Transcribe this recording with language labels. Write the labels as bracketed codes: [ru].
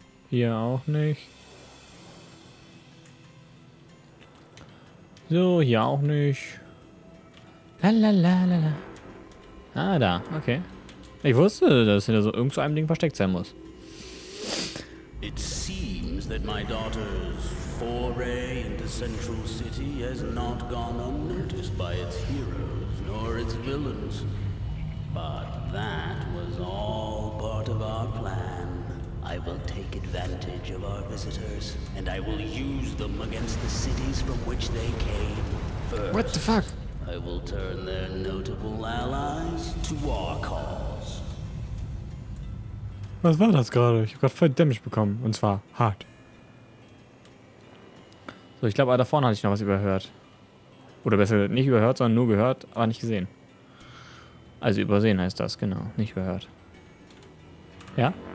[de] Hier auch nicht. So, hier auch nicht. Lalalala. Ah, da. Okay. Ich wusste, dass hinter so irgend so einem Ding versteckt sein muss. [en] It seems that my daughter's foray into Central City has not gone unnoticed by its heroes nor its villains. But that was all part of our plan. I will take advantage of our visitors and I will use them against the cities from which they came. First, what the fuck? I will turn their notable allies to our cause. [de] Was war das gerade? Ich habe gerade voll Damage bekommen. Und zwar hart. So, ich glaube, da vorne hatte ich noch was überhört. Oder besser nicht überhört, sondern nur gehört, aber nicht gesehen. Also übersehen heißt das, genau. Nicht überhört. Ja?